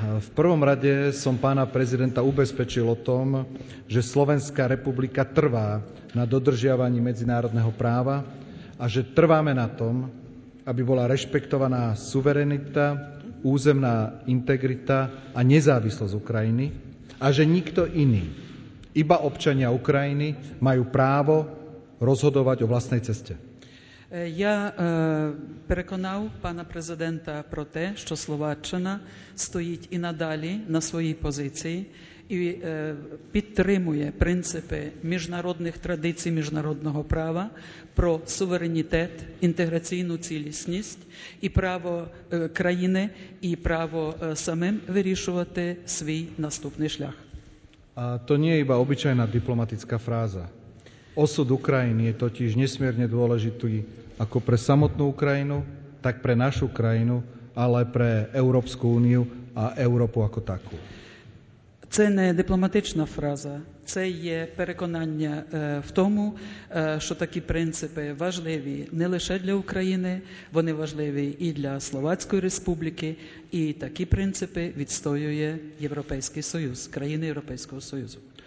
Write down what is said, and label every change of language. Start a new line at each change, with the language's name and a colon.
Slovak: V prvom rade som pána prezidenta ubezpečil o tom, že Slovenská republika trvá na dodržiavaní medzinárodného práva a že trváme na tom, aby bola rešpektovaná suverenita, územná integrita a nezávislosť Ukrajiny a že nikto iný, iba občania Ukrajiny, majú právo rozhodovať o vlastnej ceste.
Ukrainian: Я переконав пана президента про те, що Словаччина стоїть і надалі на своїй позиції і підтримує принципи міжнародних традицій міжнародного права про суверенітет, інтеграційну цілісність і право країни і право самим вирішувати свій наступний шлях. А то не є звичайна дипломатична фраза.
Slovak: Osud Ukrajiny je totiž nesmierne dôležitý ako pre samotnú Ukrajinu, tak pre našu krajinu, ale pre Európsku úniu a Európu ako takú.
Ukrainian: Це не дипломатична фраза, це є переконання в тому, що такі принципи важливі не лише для України, вони важливі і для Словацької Республіки, і такі принципи відстоює Європейський Союз, країни Європейського Союзу.